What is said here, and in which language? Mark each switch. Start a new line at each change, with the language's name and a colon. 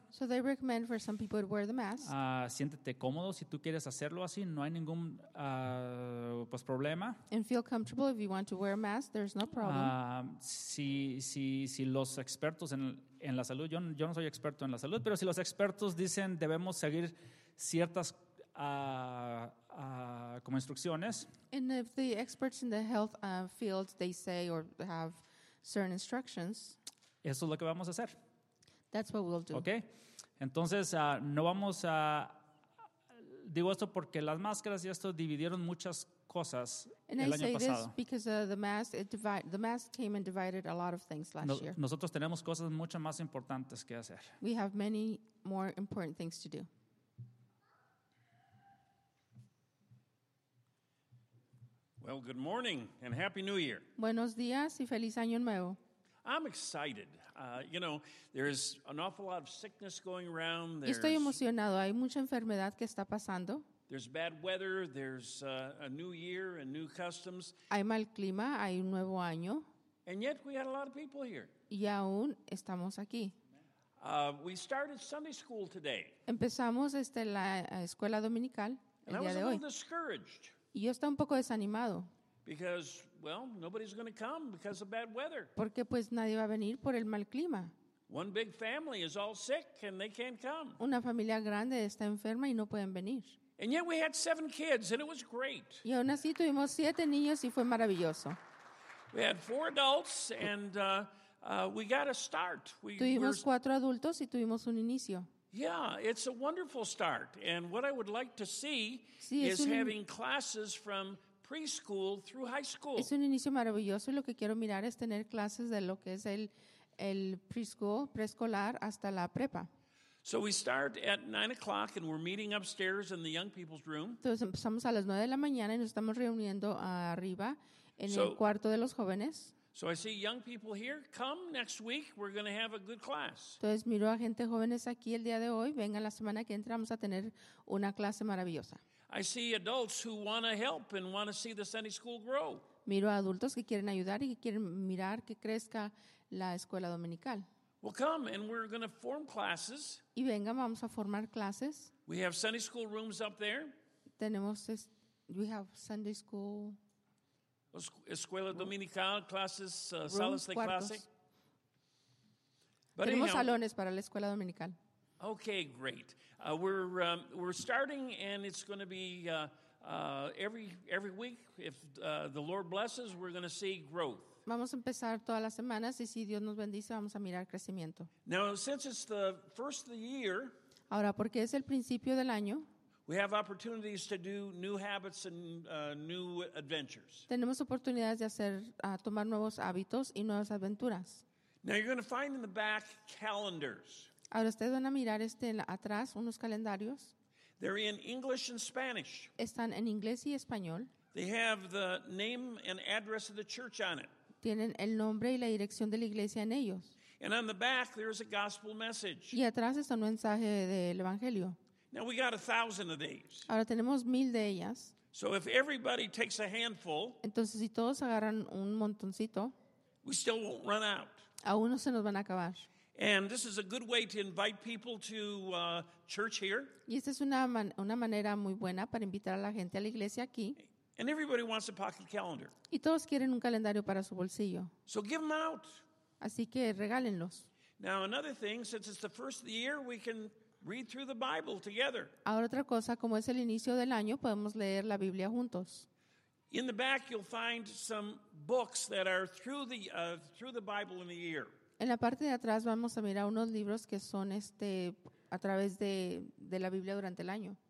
English: So they recommend for some people to wear the mask.
Spanish: Siéntete cómodo si tú quieres hacerlo así, no hay ningún pues problema.
English: And feel comfortable if you want to wear a mask, there's no problem.
Spanish: Si los expertos en la salud, yo no soy experto en la salud, pero si los expertos dicen debemos seguir ciertas como instrucciones.
English: And if the experts in the health field they say or have certain instructions.
Spanish: Eso es lo que vamos a hacer.
English: That's what we'll do. Okay.
Spanish: Entonces no vamos a digo esto porque las máscaras y esto dividieron muchas cosas
English: and
Spanish: el
English: I
Spanish: año pasado.
English: And I say this because the mask came and divided a lot of things last year.
Spanish: Nosotros tenemos cosas mucho más importantes que hacer.
English: We have many more important things to do. Well, good morning and happy new year.
Spanish: Buenos días y feliz año nuevo.
English: I'm excited. You know, there's an awful lot of sickness going around.
Spanish: Estoy emocionado. Hay mucha enfermedad que está pasando.
English: There's bad weather. There's a new year and new customs.
Spanish: Hay mal clima. Hay un nuevo año.
English: And yet we had a lot of people here.
Spanish: Y aún estamos aquí.
English: We started Sunday school today.
Spanish: Empezamos la escuela dominical el
English: and
Spanish: día de hoy.
English: And I was a little discouraged.
Spanish: Y yo estaba un poco desanimado.
English: Because, well, nobody's going to come because of bad weather.
Spanish: Porque pues nadie va a venir por el mal clima.
English: One big family is all sick and they can't come.
Spanish: Una familia grande está enferma y no pueden venir.
English: And yet we had seven kids and it was great.
Spanish: Y aún así tuvimos siete niños y fue maravilloso.
English: We had four adults and we got a start.
Spanish: Tuvimos cuatro adultos y tuvimos un inicio.
English: Yeah, it's a wonderful start. And what I would like to see is having classes from preschool through high school.
Spanish: Es un inicio maravilloso y lo que quiero mirar es tener clases de lo que es el preschool, preescolar hasta la prepa.
English: So we start at 9:00 and we're meeting upstairs in the young people's room.
Spanish: Entonces empezamos a las 9 de la mañana y nos estamos reuniendo arriba en el cuarto de los jóvenes.
English: So I see young people here. Come next week. We're going to have a good class.
Spanish: Entonces miro a gente jóvenes aquí el día de hoy. Venga la semana que entra vamos a tener una clase maravillosa.
English: I see adults who want to help and want to see the Sunday school grow.
Spanish: Miro a adultos que quieren ayudar y que quieren mirar que crezca la escuela dominical.
English: Well, come and we're going to form classes.
Spanish: Y venga, vamos a formar clases.
English: We have Sunday school rooms up there.
Spanish: Tenemos
English: we have Sunday school.
Spanish: Escuela dominical classes, salas de clase.
English: But
Spanish: tenemos anyhow, salones para la escuela dominical.
English: Okay, great. We're starting and it's going to be every week, if the Lord blesses, we're going to see growth.
Spanish: Vamos a empezar todas las semanas y si Dios nos bendice, vamos a mirar crecimiento.
English: Now, since it's the first of the year,
Spanish: ahora, porque es el principio del año,
English: we have opportunities to do new habits and new adventures.
Spanish: Tenemos oportunidades de hacer, tomar nuevos hábitos y nuevas aventuras.
English: Now, you're going to find in the back calendars.
Spanish: Ahora, ustedes van a mirar este atrás, unos calendarios.
English: They're in English and Spanish.
Spanish: Están en inglés y español.
English: They have the name and address of the church on it.
Spanish: Tienen el nombre y la dirección de la iglesia en ellos.
English: And on the back, there's a gospel message.
Spanish: Y atrás está un mensaje del evangelio.
English: Now we got 1,000 of these.
Spanish: Ahora tenemos 1,000 de ellas.
English: So if everybody takes a handful,
Spanish: entonces si todos agarran un montoncito,
English: we still won't run out.
Spanish: Aún no se nos van a acabar.
English: And this is a good way to invite people to church here.
Spanish: Y esta es una manera muy buena para invitar a la gente a la iglesia aquí.
English: And everybody wants a pocket calendar.
Spanish: Y todos quieren un calendario para su bolsillo.
English: So give them out.
Spanish: Así que regálenlos.
English: Now another thing, since it's the first of the year, we can read through the Bible together.
Spanish: Ahora otra cosa, como es el inicio del año, podemos leer la Biblia juntos.
English: In the back you'll find some books that are through the Bible in the year.
Spanish: En la parte de atrás vamos a mirar unos libros que son a través de la Biblia durante el año.